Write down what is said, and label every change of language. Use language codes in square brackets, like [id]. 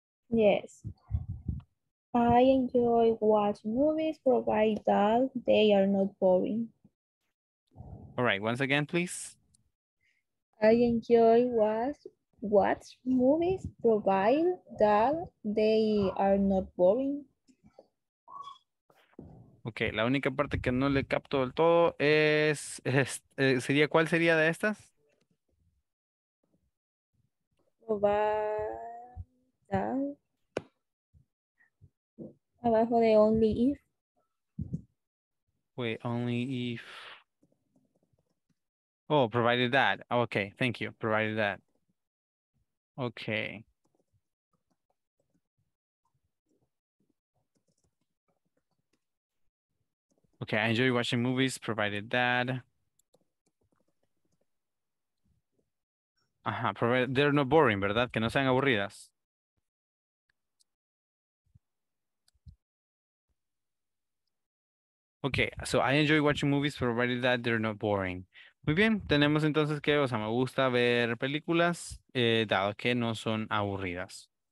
[en] Yes, I enjoy watching movies, provided that they are not boring. All right, once again, please. I enjoy watch movies, provided that they are not boring. [es] Okay, la única parte que no le capto del todo sería, ¿cuál sería de estas? [en] Provide that. [es] Abajo de only if. [en] Wait, only if. Oh, provided that. Okay, thank you. Provided that. Okay. Okay, I enjoy watching movies, provided that. [es] Ajá, [en] provided, they're not boring, [es] ¿verdad? Que no sean aburridas. [en] Okay, so I enjoy watching movies, provided that they're not boring. [es] Muy bien, tenemos entonces que, o sea, me gusta ver películas, dado que no son aburridas.